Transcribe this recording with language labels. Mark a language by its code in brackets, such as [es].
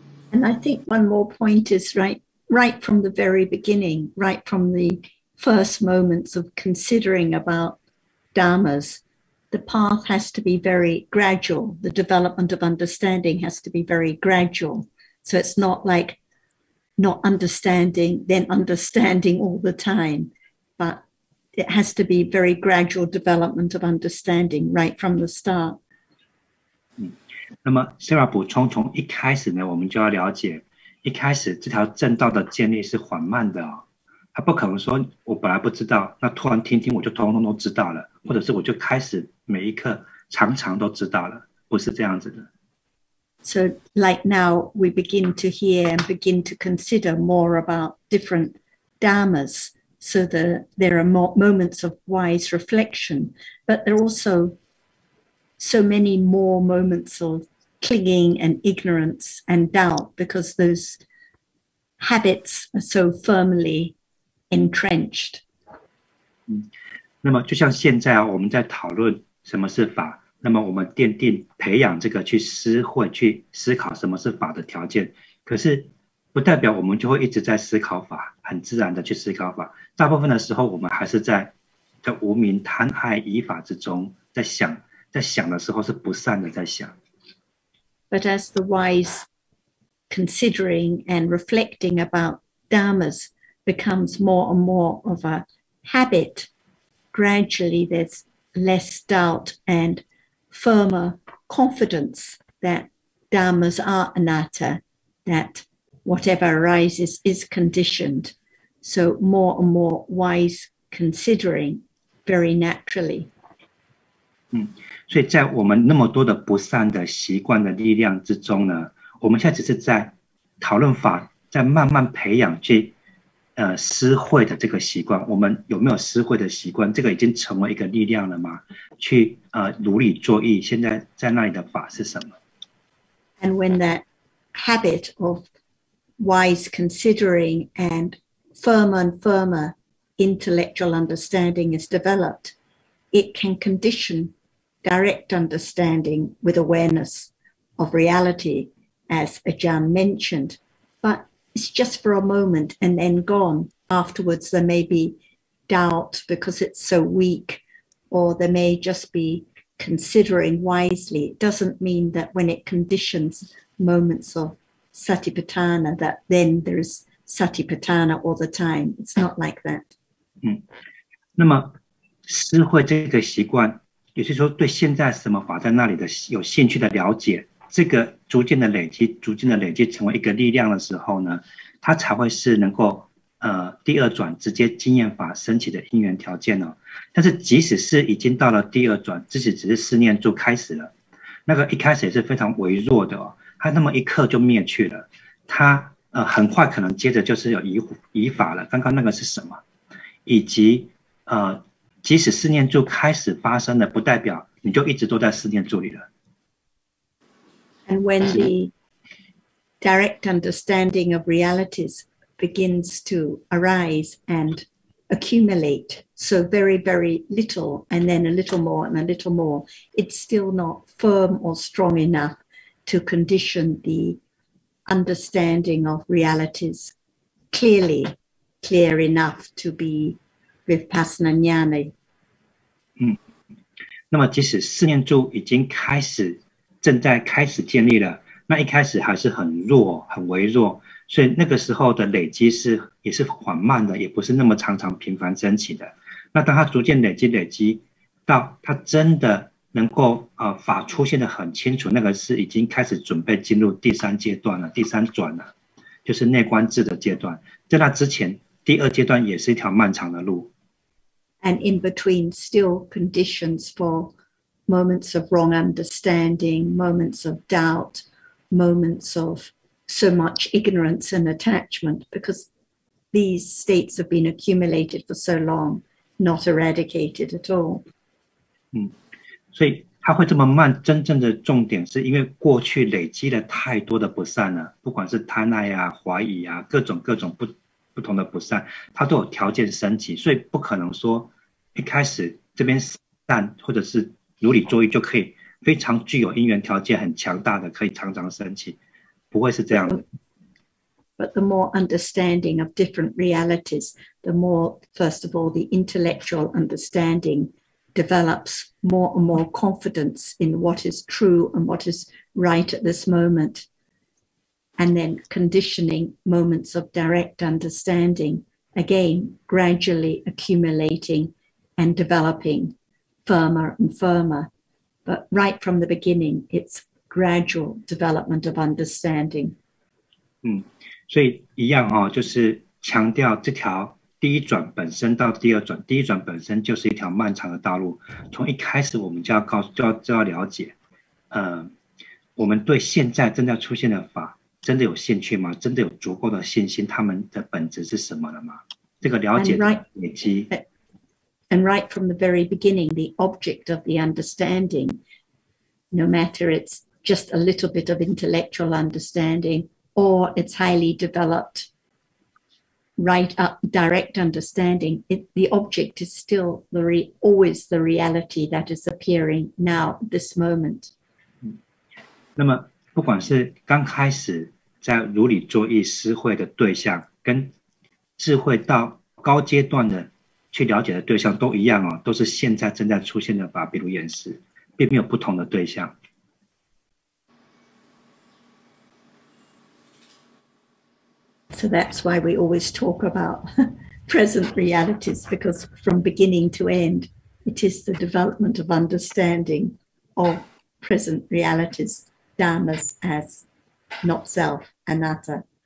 [en] And I think one more point is right from the very beginning, right from the first moments of considering about dharmas, the path has to be very gradual. The development of understanding has to be very gradual. So it's not like not understanding, then understanding all the time. But it has to be very gradual development of understanding right from the start. [zh] 那么 Sarah 补充，从一开始呢，我们就要了解，一开始这条正道的建立是缓慢的哦，他不可能说我本来不知道，那突然听听我就通通都知道了，或者是我就开始每一刻常常都知道了，不是这样子的。 [en] So like now we begin to hear and begin to consider more about different dharmas, so that there are more moments of wise reflection, but there are also so many more moments of clinging and ignorance and doubt because those habits are so firmly entrenched. [zh] 那么就像现在啊，我们在讨论什么是法。那么我们奠定培养这个去思会去思考什么是法的条件，可是不代表我们就会一直在思考法，很自然的去思考法。大部分的时候我们还是在无明贪爱依法之中，在想的时候是不善的在想。 [en] But as the wise considering and reflecting about dharmas becomes more and more of a habit, gradually there's less doubt andfirmer confidence that dharmas are anatta, that whatever arises is conditioned. So more and more wise considering very naturally. [zh] 所以在我们那么多的不善的习惯的力量之中呢，我们现在只是在讨论法，在慢慢培养去思慧的这个习惯，我们有没有思慧的习惯？这个已经成为一个力量了吗？去如理作意，现在在那里的法是什么 [en] ？And when that habit of wise considering and firmer and firmer intellectual understanding is developed, it can condition direct understanding with awareness of reality, as Ajahn mentioned, but. It's just for a moment and then gone. Afterwards, there may be doubt because it's so weak, or there may just be considering wisely. It doesn't mean that when it conditions moments of satipatthana, that then there is satipatthana all the time. It's not like that. [zh] 那么思慧这个习惯，也是说对现在什么法在那里的有兴趣的了解。这个逐渐的累积，逐渐的累积成为一个力量的时候呢，它才会是能够第二转直接经验法升起的因缘条件哦。但是即使是已经到了第二转，即使只是四念住开始了，那个一开始也是非常微弱的哦，它那么一刻就灭去了，它很快可能接着就是有疑法了。刚刚那个是什么？以及即使四念住开始发生了，不代表你就一直都在四念住里了。 [en] And when the direct understanding of realities begins to arise and accumulate, so very, very little, and then a little more and a little more, it's still not firm or strong enough to condition the understanding of realities clearly, clear enough to be vipassana jnana. [zh] 那么即使四念住已经开始正在开始建立了，那一开始还是很弱很微弱，所以那个时候的累积是也是缓慢的，也不是那么常常频繁升起的。那当它逐渐累积到它真的能够法出现的很清楚，那个是已经开始准备进入第三阶段了，第三转了，就是内观智的阶段。在那之前第二阶段也是一条漫长的路。 [en] And in between still conditions forMoments of wrong understanding, moments of doubt, moments of so much ignorance and attachment, because these states have been accumulated for so long, not eradicated at all. [zh] 所以它会这么慢，真正的重点是因为过去累积了太多的不善了，不管是贪爱啊、怀疑啊，各种不同的不善，它都有条件升起，所以不可能说一开始这边善或者是如理作意就可以非常具有因缘条件很强大的可以常常升起，不会是这样的。 [en] But the more understanding of different realities, the more, first of all, the intellectual understanding develops more and more confidence in what is true and what is right at this moment. and then conditioning moments of direct understanding, again, gradually accumulating and developing firmer and firmer. But right from the beginning, it's gradual development of understanding. [zh] 所以一样哦，就是强调这条第一转本身到第二转，第一转本身就是一条漫长的道路。从一开始我们就要告诉，就要了解，我们对现在正在出现的法真的有兴趣吗？真的有足够的信心他们的本质是什么了吗？这个了解的累积。 [en] And right from the very beginning, the object of the understanding, no matter it's just a little bit of intellectual understanding or it's highly developed, right up direct understanding, the object is still always the reality that is appearing now, this moment. [zh] 那么不管是刚开始在如理作意思会的对象跟智慧到高阶段的去了解的对象都一样哦，都是现在正在出现的法，比如眼识，并没有不同的对象。 [en] So that's why we always talk about present realities, because from beginning to end, it is the development of understanding of present realities, dhammas as not self, anatta.